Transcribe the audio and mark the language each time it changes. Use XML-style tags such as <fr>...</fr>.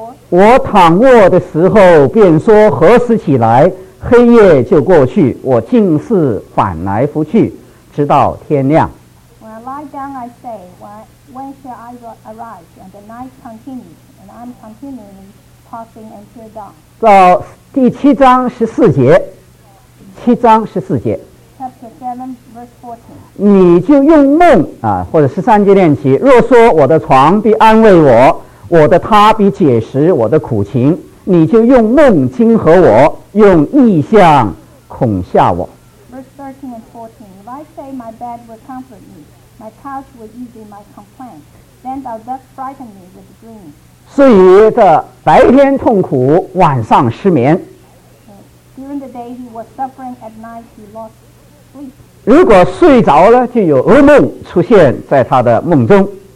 <zh>我躺卧的时候便说何时起来，黑夜就过去，我竟是反来覆去直到天亮。</zh> <en>When I lie down I say, when shall I arise? And the night continues, and I'm continually tossing until dawn.</en> <zh>到第七章十四节，七章十四节。</zh> <en>Chapter 7 verse 14.</en> <zh>你就用梦啊，或者十三节练习，若说我的床必安慰我，我的他必解释我的苦情，你就用梦惊和我，用异象恐吓我。</zh> <en>Verse 13 and 14. If I say my bed will comfort me, my couch will ease my complaint, then thou dost frighten me with dreams.</en> <zh>所以这白天痛苦，晚上失眠。</zh> <en>During the day he was suffering, at night he lost sleep.</en> <zh>如果睡着了，就有噩梦出现在他的梦中。</zh>